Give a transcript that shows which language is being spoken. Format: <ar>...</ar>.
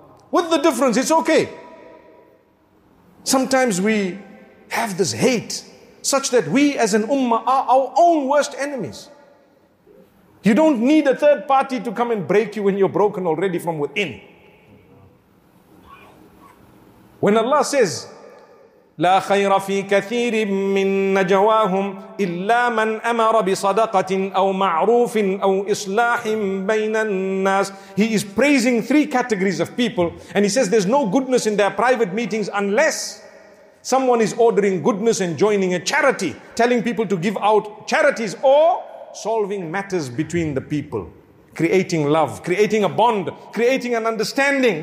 <en>With the difference, it's okay. Sometimes we have this hate such that we as an Ummah are our own worst enemies. You don't need a third party to come and break you when you're broken already from within. When Allah says,</en> <ar>لا خير في كثير من نجواهم إلا من أمر بصدقة أو معروف أو إصلاح بين الناس.</ar> <en>He is praising three categories of people, and he says there's no goodness in their private meetings unless someone is ordering goodness and joining a charity, telling people to give out charities, or solving matters between the people, creating love, creating a bond, creating an understanding.</en>